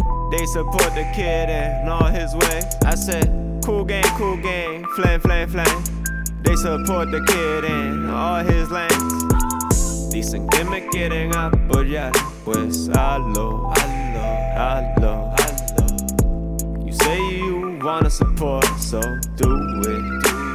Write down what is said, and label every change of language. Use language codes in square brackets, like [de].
[en] They support the kid and all his way. I said, cool gang, flame, flame, flame. They support the kid and all his lanes. [es] Dicen que me quieren apoyar. Pues hazlo, hazlo, hazlo, hazlo. [en] You say you wanna support, so do it.